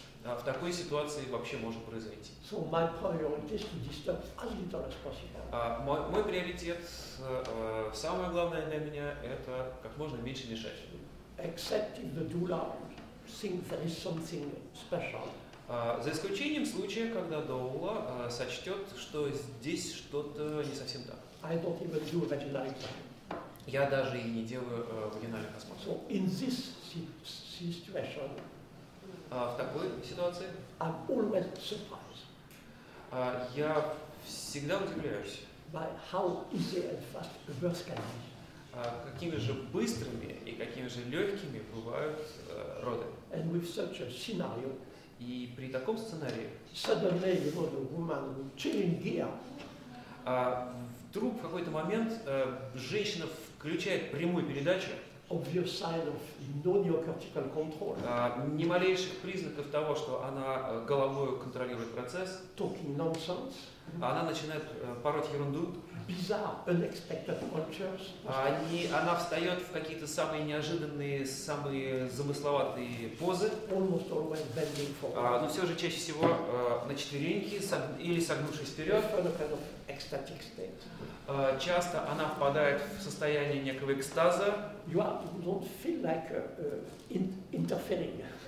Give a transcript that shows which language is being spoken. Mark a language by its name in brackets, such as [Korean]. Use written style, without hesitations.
[Russian] В такой ситуации вообще может произойти. [English] So my priority is to disturb as little as possible. [Russian] Мой приоритет, самое главное для меня, это как можно меньше мешать. [English] Except if the doula thinks there is something special. [Russian] За исключением случая, когда доула сочтет, что здесь что-то не совсем так. [English] I don't even do a vaginal exam. [Russian] Я даже и не делаю вагинальных осмотров. [English] So in this situation, [Russian] в такой ситуации [English] I'm always surprised. [Russian] Я всегда удивляюсь, [English] by how easy and fast a birth can be. [Russian] Какими же быстрыми и какими же легкими бывают роды. [English] And with such a scenario, [Russian] и при таком сценарии [English] suddenly, you know, the woman will change gear. [Russian] Вдруг в какой-то момент женщина включает прямую передачу. [English] Obvious sign of no neocortical control. [Russian] Ни малейших признаков того, что она головой контролирует процесс. [English] Talking nonsense. [Russian] Она начинает пороть ерунду. [English] Bizarre, unexpected cultures. [Russian] Она встает в какие-то самые неожиданные, самые замысловатые позы. [English] Almost always bending forward. [Russian] Но все же чаще всего на четвереньки или согнувшись вперед. [English] Kind of ecstatic state. [Russian] Часто она впадает в состояние некого экстаза. [English] You don't feel like interfering.